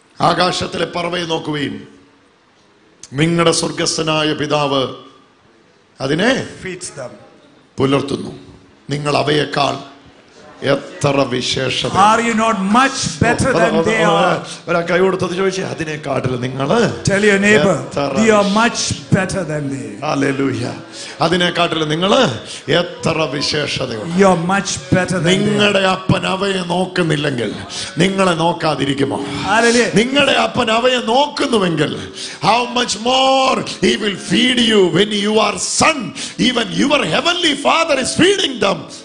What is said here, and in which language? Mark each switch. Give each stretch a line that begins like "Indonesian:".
Malayalam: ആകാശത്തിലെ പറവയെ നോക്കുവീൻ നിങ്ങളുടെ സ്വർഗസ്ഥനായ പിതാവ് അതിനെ പുലർത്തുന്നു. നിങ്ങൾ അവയെക്കാൾ എത്ര വിശേഷം.
English: Are you not much better than they are?
Malayalam: ഒരു കൈ കൊടുത്തത് ചോദിച്ചേ അതിനെക്കാട്ടിൽ നിങ്ങൾ.
English: Tell your neighbor, you are much better than they. Hallelujah.
Malayalam: അതിനെക്കാട്ടിൽ നിങ്ങൾ എത്ര വിശേഷതയുള്ള.
English: You are much better than they.
Malayalam: നിങ്ങളുടെ അപ്പൻ അവയെ നോക്കുന്നില്ലെങ്കിൽ നിങ്ങളെ നോക്കാതിരിക്കുമോ?
English: Hallelujah.
Malayalam: നിങ്ങളുടെ അപ്പൻ അവയെ നോക്കുന്നുവെങ്കിൽ
English: how much more he will feed you when you are son, even your heavenly father is feeding them.